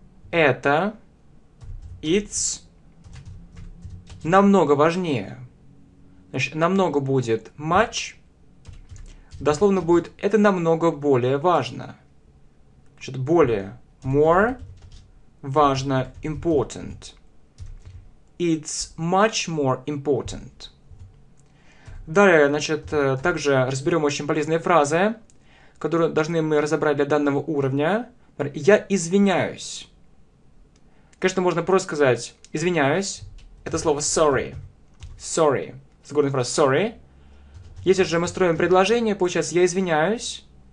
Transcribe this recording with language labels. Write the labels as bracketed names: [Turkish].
[Russian] Это [English] it's [Russian] намного важнее. Значит, намного будет much. Дословно будет это намного более важно. Значит, более more важно important. [English] It's much more important. [Russian] Далее, значит, также разберем очень полезные фразы, которые должны мы разобрать для данного уровня. Я извиняюсь. Конечно, можно просто сказать «извиняюсь». Это слово «sorry». [English] «Sorry». [Russian] Согласная фраза «sorry». Если же мы строим предложение, получается «я извиняюсь».